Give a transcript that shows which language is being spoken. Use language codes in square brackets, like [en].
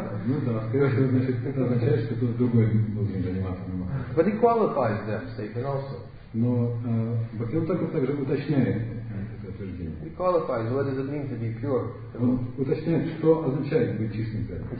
[ru] Ну да, скорее всего, значит, это означает, что кто-то другой должен заниматься намахом. [en] But he qualifies that statement also. [ru] Но Бхактивинода Тхакур также уточняет это утверждение. [en] He qualifies what does it mean to be pure. [ru] Он уточняет, что означает быть чистым преданным.